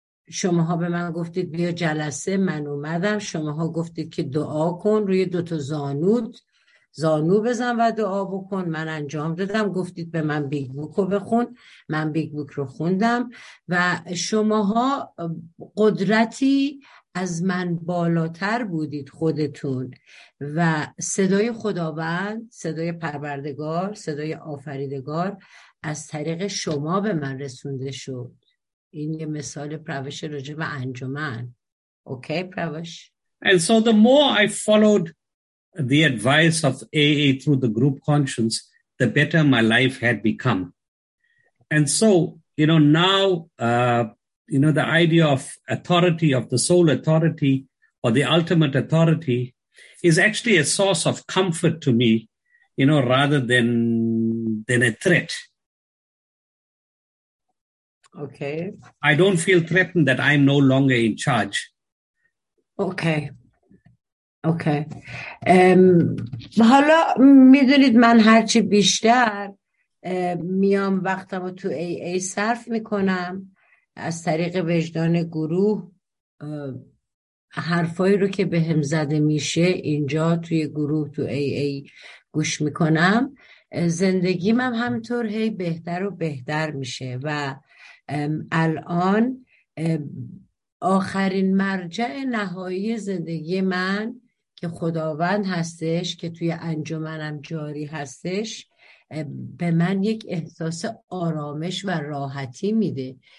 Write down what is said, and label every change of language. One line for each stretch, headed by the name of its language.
Persian: شماها به من گفتید بیا جلسه، من اومدم، شماها گفتید که دعا کن، روی دوتا زانو بزن و دعا بکن، من انجام دادم، گفتید به من بیگ بوک رو بخون، من بیگ بوک رو خوندم و شماها قدرتی از من بالاتر بودید خودتون و صدای خداوند، صدای پروردگار، صدای آفریدگار از طریق شما به من رسونده شد. این یه مثال پروش راجع به انجمن. اوکی پروش؟
English: And so the more I followed the advice of AA through the group conscience, the better my life had become. And so, you know, now you know, the idea of authority, of the soul authority or the ultimate authority is actually a source of comfort to me, you know, rather than a threat. Okay. I don't feel threatened that I'm no longer in charge. Okay. Okay.
Persian: حالا میدونید من هرچی بیشتر میام وقتم رو تو AA صرف میکنم، از طریق وجدان گروه حرفایی رو که به هم زده میشه اینجا توی گروه تو AA گوش میکنم، زندگیم هم همطور هی بهتر و بهتر میشه و الان آخرین مرجع نهایی زندگی من که خداوند هستش، که توی انجمنم جاری هستش، به من یک احساس آرامش و راحتی میده.